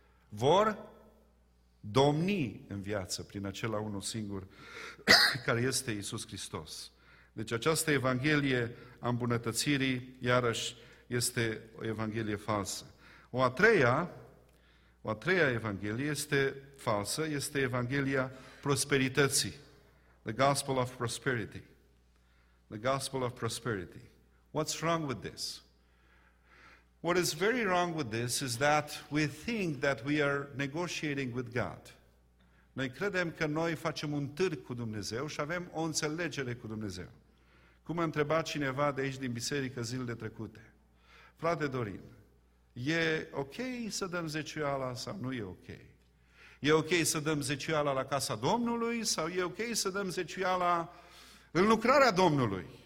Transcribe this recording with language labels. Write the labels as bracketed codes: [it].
[ro] Vor domni în viață prin acela unul singur care este Iisus Hristos. Deci această evanghelie a îmbunătățirii, iarăși, este o evanghelie falsă. O a treia evanghelie este falsă, este evanghelia prosperității. [en] The gospel of prosperity. The gospel of prosperity. What's wrong with this? What is very wrong with this is that we think that we are negotiating with God. [ro] Noi credem că noi facem un târg cu Dumnezeu și avem o înțelegere cu Dumnezeu. Cum a întrebat cineva de aici din biserică zilele trecute. Frate Dorin, e ok să dăm zecioala sau nu e ok? E ok să dăm zecioala la casa Domnului sau e ok să dăm zecioala în lucrarea Domnului?